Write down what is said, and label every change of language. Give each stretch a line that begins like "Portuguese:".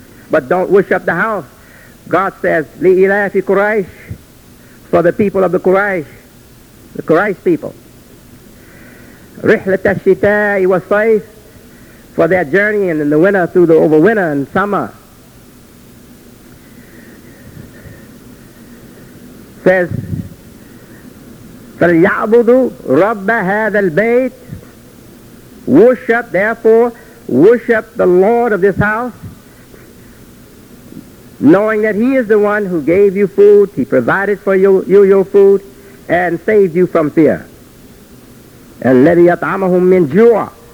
English: But don't worship the house. God says,
Arabic: Li ilafi Quraysh,
English: for the people of the Quraysh people.
Arabic: Rihlat ash-shita'i was-sayf,
English: for their journey and in the winter through the over winter and summer.
Arabic: Says, فَلْيَعْبُدُ رَبَّ هَذَا الْبَيْتِ.
English: Worship, therefore, worship the Lord of this house, knowing that he is the one who gave you food, he provided for you your food, and saved you from fear. And
Arabic: الَّذِي يَطْعَمَهُمْ مِنْ جُوعٍ,